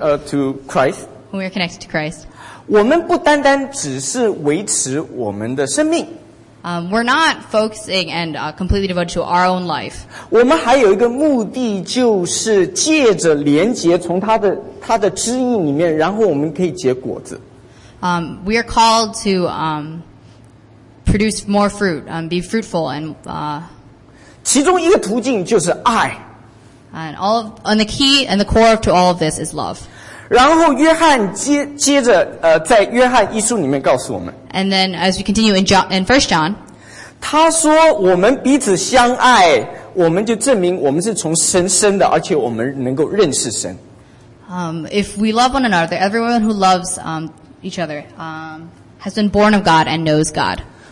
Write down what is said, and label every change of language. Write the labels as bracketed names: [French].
[English] when we are connected to Christ, [Chinese] 我们不单单只是维持我们的生命, [English] we're not focusing and completely devoted to our own life. [Chinese] 我们还有一个目的就是借着连结从他的枝叶里面, 然后我们可以结果子。 [English] We are called to produce more fruit, be fruitful and [Chinese] 其中一个途径就是爱, [English] and the key and the core to all of this is love. [Chinese] 然后约翰接着, 在约翰一书里面告诉我们, [English] and then as we continue in John, in 1 John, [Chinese] 他说我们彼此相爱, 我们就证明我们是从神生的, 而且我们能够认识神。 [English] If we love one another, everyone who loves each other has been born of God and knows God.